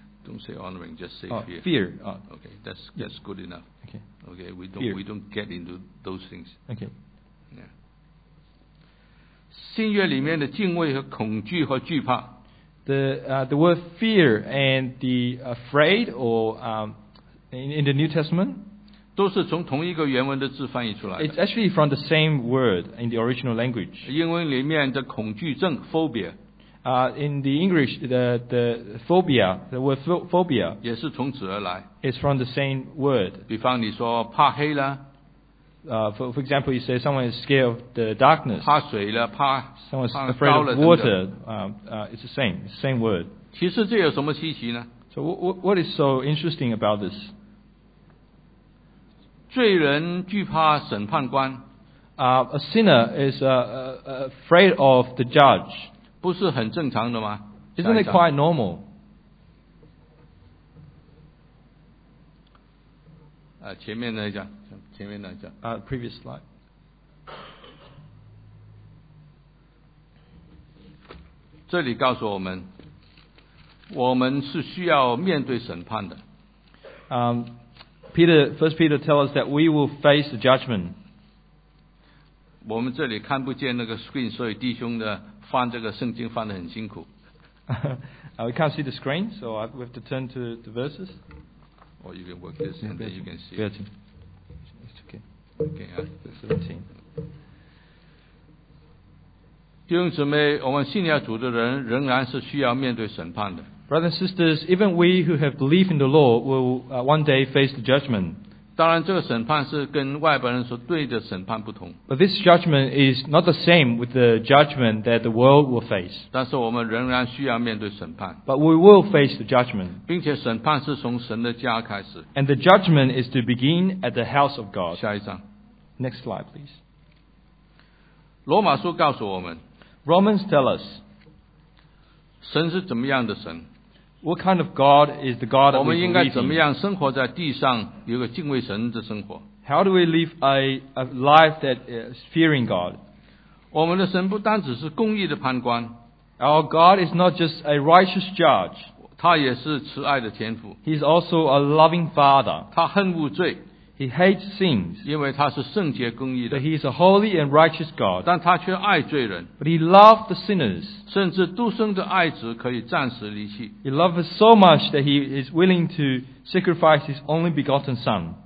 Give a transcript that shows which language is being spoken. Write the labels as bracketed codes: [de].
[en] Don't say honoring, just say fear. Fear. Okay, that's good enough. Okay. We don't get into those things. Okay. Yeah. [zh] 新约里面的敬畏和恐惧和惧怕。 [en] The word fear and the afraid or in the New Testament. [zh] 都是从同一个原文的字翻译出来的。 [en] It's actually from the same word in the original language. [zh] 英文里面的恐惧症 phobia. [en] In the English, the phobia, the word phobia, [zh] 也是从此而来。 [en] It's from the same word. [zh] 比方你说怕黑啦。 [en] For example, you say someone is scared of the darkness. [zh] 怕水了，怕。 [en] Someone's afraid of water. It's the same word. [zh] 其实这有什么稀奇呢？ [en] So what is so interesting about this? [zh] 罪人惧怕审判官。 [en] A sinner is afraid of the judge. [zh] 不是很正常的吗？ [en] Isn't it quite normal? [zh] 前面那一张，前面那一张。 [en] Previous slide. [zh] 这里告诉我们，我们是需要面对审判的。 [en] First Peter tells us that we will face the judgment. [zh] 我们这里看不见那个 screen, 所以弟兄的翻这个圣经翻得很辛苦。 [en] We can't see the screen, so we have to turn to the verses. Or you can work this and then you can see. 13. It's okay. Okay, yeah. 17. [zh] 弟兄姊妹，我们信了主的人仍然是需要面对审判的。 [en] Brothers and sisters, even we who have belief in the law will one day face the judgment. [zh] 当然这个审判是跟外邦人所对的审判不同。 [en] But this judgment is not the same with the judgment that the world will face. [zh] 但是我们仍然需要面对审判。 [en] But we will face the judgment. [zh] 并且审判是从神的家开始。 [en] And the judgment is to begin at the house of God. [zh] 下一张。 [en] Next slide, please. [zh] 罗马书告诉我们。 [en] Romans tell us. [zh] 神是怎么样的神。 [en] What kind of God is the God of the believing? [zh] 我们应该怎么样生活在地上，有个敬畏神的生活？ [en] How do we live a life that is fearing God? [zh] 我们的神不单只是公义的判官。 [en] Our God is not just a righteous judge. [zh] 他也是慈爱的天父。 [en] He is also a loving father. [zh] 他恨恶罪。 [en] He hates sins. [zh] 因为他是圣洁公义的。 [en] But he is a holy and righteous God. [zh] 但他却爱罪人。 [en] But he loved the sinners. [zh] 甚至独生的爱子可以暂时离弃。 [en] He loves us so much that he is willing to sacrifice his only begotten son.